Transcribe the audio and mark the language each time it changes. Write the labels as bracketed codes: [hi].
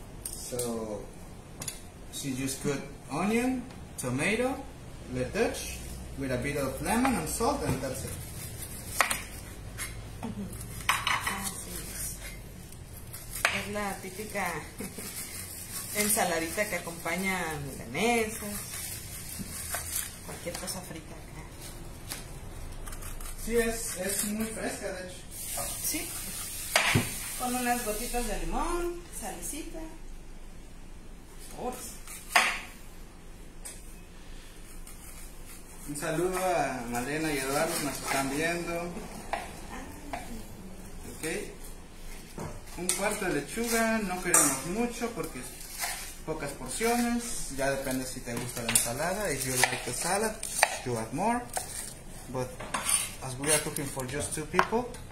[en] So she just put onion, tomato, lettuce, with a bit of lemon and salt, and that's it. [es] Es la típica ensaladita que acompaña milanesas, cualquier cosa frita acá. Sí, es muy fresca, de hecho. Oh. Sí. Con unas gotitas de limón, salicita. Un saludo a Malena y Eduardo, que nos están viendo. Ok. Un cuarto de lechuga, no queremos mucho porque pocas porciones. Ya depende si te gusta la ensalada. [en] If you like the salad, you add more. But as we are cooking for just two people.